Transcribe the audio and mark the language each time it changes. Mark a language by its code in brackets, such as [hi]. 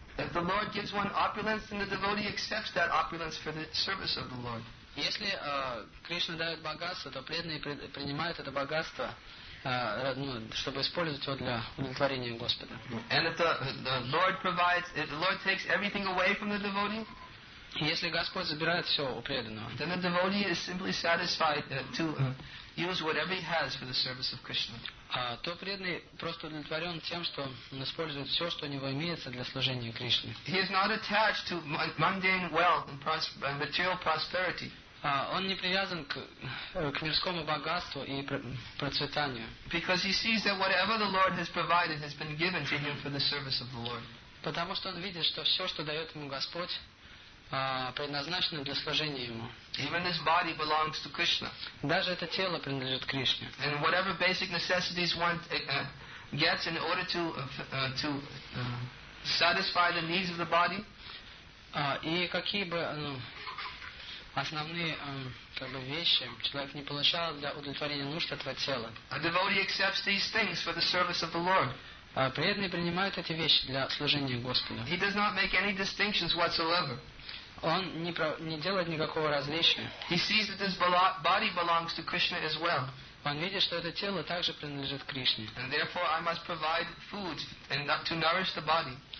[en] If the Lord gives one opulence, then the devotee accepts that opulence for the service of the Lord. [ru] Если Кришна дает богатство, то преданный принимает это богатство, чтобы использовать его для удовлетворения Господа. [en] And if the Lord provides, if the Lord takes everything away from the devotee, [ru] если Господь забирает все у преданного, [en] then the devotee is simply satisfied to use whatever he has for the service of Krishna. [ru] То преданный просто удовлетворен тем, что он использует все, что у него имеется для служения Кришне. [en] He is not attached to mundane wealth and material prosperity. [ru] Он не привязан к мирскому богатству и процветанию. [en] Because he sees that whatever the Lord has provided has been given to him for the service of the Lord. [ru] Потому что он видит, что все, что дает ему Господь, предназначено для служения ему. [en] Even this body belongs to Krishna. [ru] Даже это тело принадлежит Кришне. [en] And whatever basic necessities one gets in order to satisfy the needs of the body, [ru] и какие бы основные вещи человек не получал для удовлетворения нужд этого тела, [en] a devotee accepts these things for the service of the Lord. [ru] Преданный принимает эти вещи для служения Господу. [en] He does not make any distinctions whatsoever. [ru] Он не делает никакого различия. [en] He sees that this body belongs to Krishna as well. [ru] Он видит, что это тело также принадлежит Кришне. [en] And therefore I must provide food and not to nourish the body.